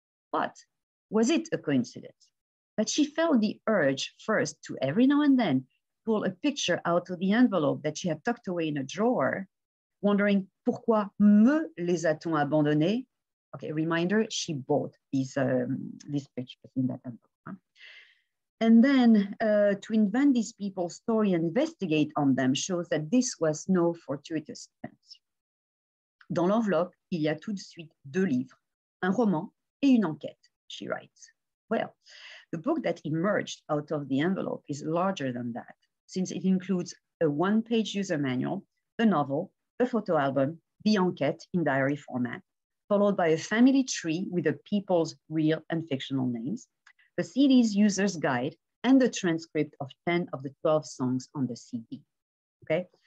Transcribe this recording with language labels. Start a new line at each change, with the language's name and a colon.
English: But was it a coincidence that she felt the urge first to every now and then pull a picture out of the envelope that she had tucked away in a drawer, wondering
French: pourquoi me les a-t-on abandonné?
English: Okay, reminder, she bought these pictures in that envelope. Huh? And then to invent these people's story and investigate on them shows that this was no fortuitous event.
French: Dans l'enveloppe, il y a tout de suite deux livres, un roman et une enquête,
English: she writes. Well, the book that emerged out of the envelope is larger than that, since it includes a one-page user manual, the novel, the photo album, the enquête in diary format, followed by a family tree with the people's real and fictional names, the CD's user's guide, and the transcript of 10 of the 12 songs on the CD, okay?